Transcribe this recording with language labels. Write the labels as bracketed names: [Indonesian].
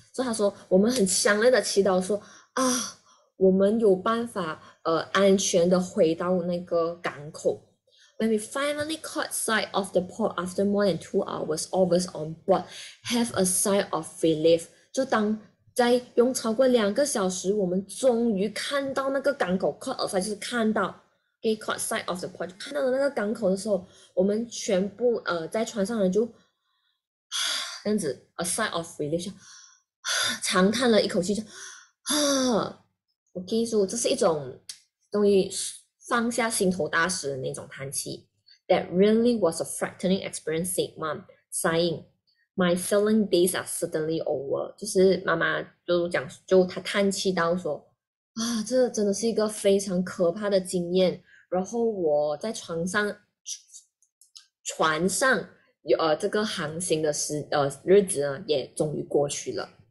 [Chinese] 所以他说，我们很强烈的祈祷说啊，我们有办法安全的回到那个港口。 [English] When we finally caught sight of the port after more than 2 hours, all of us on board have a sigh of relief。 [Chinese] 就当在用超过2个小时，我们终于看到那个港口， [English] caught a sight [Chinese] 就是看到。给 [English] caught sight of the port， [Chinese] 看到了那个港口的时候，我们全部在船上人就，这样子 [English] a sigh of relief， [Chinese] 长叹了一口气，就啊，我跟你说，这是一种终于放下心头大石的那种叹气。 [English] That really was a frightening experience, said mom, sighing. My sailing days are certainly over。 [Chinese] 就是妈妈就讲，就她叹气到说啊，这真的是一个非常可怕的经验。然后我在船上有这个航行的日子呢，也终于过去了。